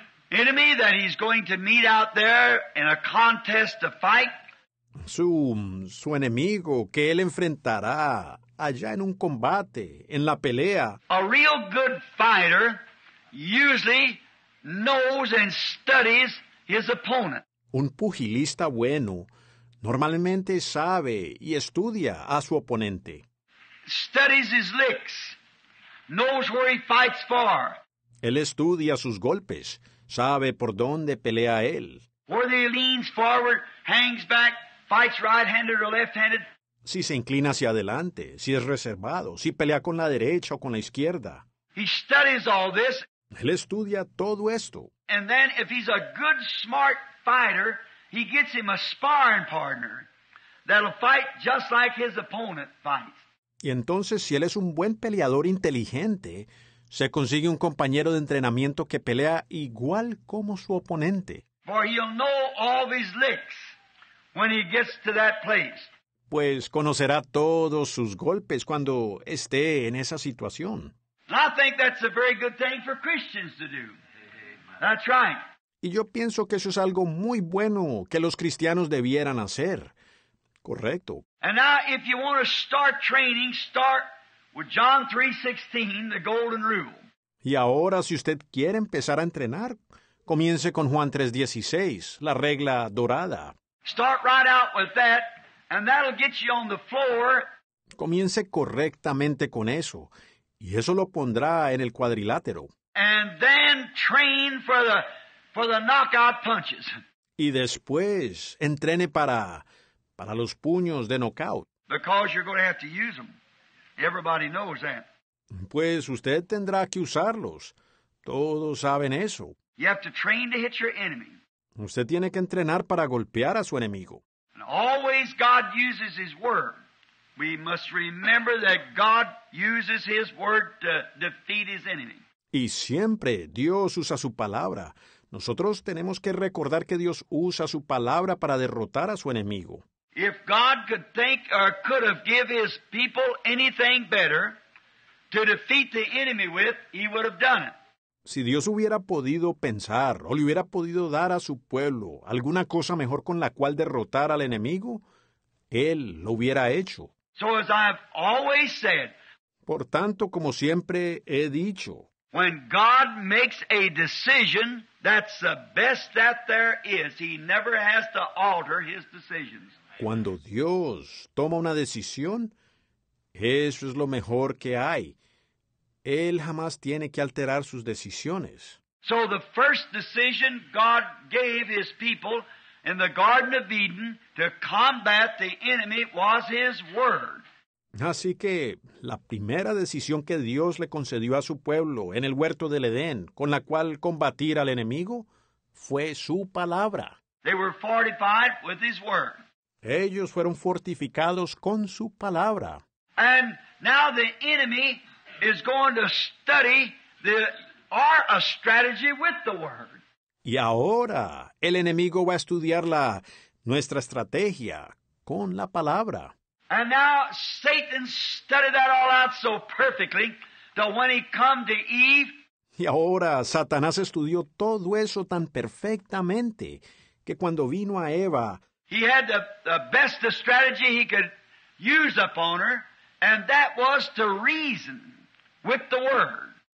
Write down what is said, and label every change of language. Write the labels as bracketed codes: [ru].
[en] Enemy that he's going to meet out there in a contest to fight. [es] Su enemigo que él enfrentará allá en un combate, en la pelea. [en] A real good fighter usually knows and studies his opponent. [es] Un pugilista bueno normalmente sabe y estudia a su oponente. [en] Studies his licks, knows where he fights for. [es] Él estudia sus golpes. Sabe por dónde pelea él. [en] Whether he leans forward, hangs back, fights right-handed or left-handed. [es] Si se inclina hacia adelante, si es reservado, si pelea con la derecha o con la izquierda. [en] He studies all this. [es] Él estudia todo esto. [en] And then if he's a good, smart fighter, he gets him a sparring partner that'll fight just like his opponent fights. [es] Y entonces, si él es un buen peleador inteligente, se consigue un compañero de entrenamiento que pelea igual como su oponente. [en] For he'll know all his licks when he gets to that place. [es] Pues conocerá todos sus golpes cuando esté en esa situación. [en] I think that's a very good thing for Christians to do. That's right. [es] Y yo pienso que eso es algo muy bueno que los cristianos debieran hacer. Correcto. [en] And now, if you want to start training, start with John 3:16, the golden rule. [es] Y ahora, si usted quiere empezar a entrenar, comience con Juan 3:16, la regla dorada. [en] Start right out with that, and that'll get you on the floor. [es] Comience correctamente con eso, y eso lo pondrá en el cuadrilátero. [en] And then train for the knockout punches. [es] Y después, entrene para los puños de knockout. [en] Because you're going to have to use them. Everybody knows that. [es] Pues usted tendrá que usarlos. Todos saben eso. [en] You have to train to hit your enemy. [es] Usted tiene que entrenar para golpear a su enemigo. [en] And always God uses his word. We must remember that God uses his word to defeat his enemy. [es] Y siempre Dios usa su palabra. Nosotros tenemos que recordar que Dios usa su palabra para derrotar a su enemigo. [en] If God could think or could have given his people anything better to defeat the enemy with, he would have done it. [es] Si Dios hubiera podido pensar o le hubiera podido dar a su pueblo alguna cosa mejor con la cual derrotar al enemigo, él lo hubiera hecho. [en] So as I've always said, [es] por tanto, como siempre he dicho, [en] when God makes a decision, that's the best that there is. He never has to alter his decisions. [es] Cuando Dios toma una decisión, eso es lo mejor que hay. Él jamás tiene que alterar sus decisiones. [en] So the first decision God gave his people in the Garden of Eden to combat the enemy was his word. [es] Así que la primera decisión que Dios le concedió a su pueblo en el huerto del Edén, con la cual combatir al enemigo, fue su palabra. [en] They were fortified with his word. [es] Ellos fueron fortificados con su palabra. [en] And now the enemy is going to study a strategy with the word. [es] Y ahora el enemigo va a estudiar nuestra estrategia con la palabra. [en] And now Satan studied that all out so perfectly that when he come to Eve. [es] Y ahora Satanás estudió todo eso tan perfectamente que cuando vino a Eva. [en] He had the best strategy he could use upon her, and that was to reason with the word.